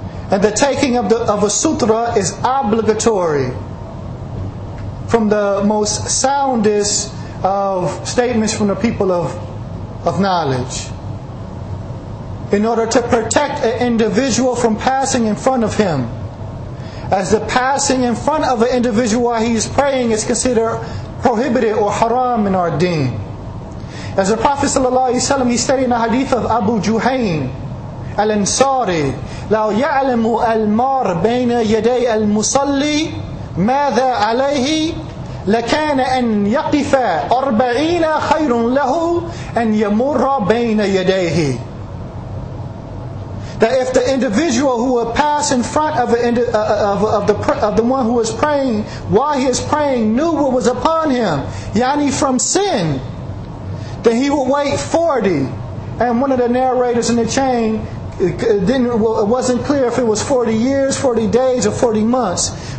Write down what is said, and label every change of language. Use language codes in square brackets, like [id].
[en] And the taking of a sutra is obligatory from the most soundest of statements from the people of knowledge. In order to protect an individual from passing in front of him. As the passing in front of an individual while he is praying is considered prohibited or haram in our deen. As the Prophet sallallahu alaihi wasallam, he stated in the hadith of Abu Juhayn al-Ansari, [ar] لو يعلم المار بين يدي المصلي ماذا عليه لكان أن يقف أربعين خير له أن يمر بين يديه. [en] That if the individual who will pass in front of the one who is praying while he is praying knew what was upon him, yani from sin, then he will wait 40. And one of the narrators in the chain, it wasn't clear if it was 40 years, 40 days, or 40 months.